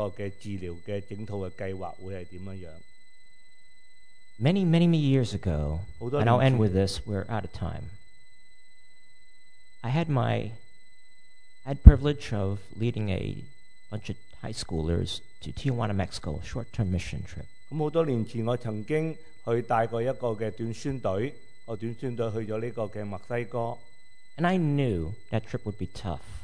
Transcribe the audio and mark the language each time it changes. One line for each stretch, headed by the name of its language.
Chinese: 我们收到这个化验的报告，可能有一部分是有这个癌症，但我更加要去看将来这个治疗的整套的计划会是怎么样。
English: Many, many, many years ago, and I'll end with this, we're out of time. I had privilege of leading a bunch of high schoolers to Tijuana, Mexico, a short-term mission trip.
Chinese: 很多年前我曾经去带过一个短宣队，我短宣队去了这个墨西哥。
English: And I knew that trip would be tough.